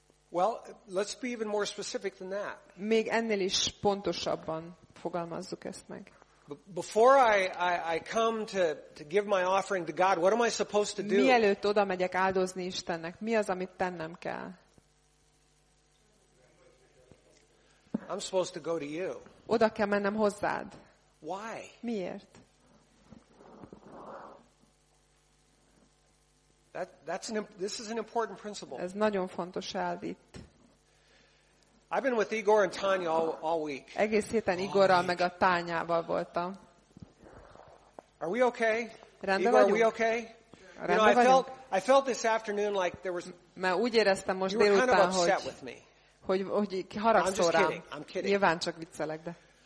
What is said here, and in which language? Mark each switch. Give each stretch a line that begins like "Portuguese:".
English: Well, let's be even more specific than that.
Hungarian: Még ennél is pontosabban fogalmazzuk ezt meg.
English: Before I come to give my offering to God, what am I supposed to do?
Hungarian: Mielőtt oda megyek áldozni Istennek, mi az, amit tennem kell?
English: I'm supposed to go to you.
Hungarian: Oda kell mennem hozzád.
English: Why?
Hungarian: Miért?
English: This is an important principle.
Hungarian: Ez nagyon fontos elv itt.
English: I've been with Igor and Tanya all week.
Hungarian: Egész héten Igorral meg a Tányával voltam.
English: Are we okay?
Hungarian: Rendben vagyunk?
English: Igor, are we okay?
Hungarian: Rendben vagyunk?
English: I felt this afternoon like there was.
Hungarian: Mert úgy éreztem most délután, hogy hogy haragszol rám.
English: I'm kidding.
Hungarian: Nyilván csak viccelek, de.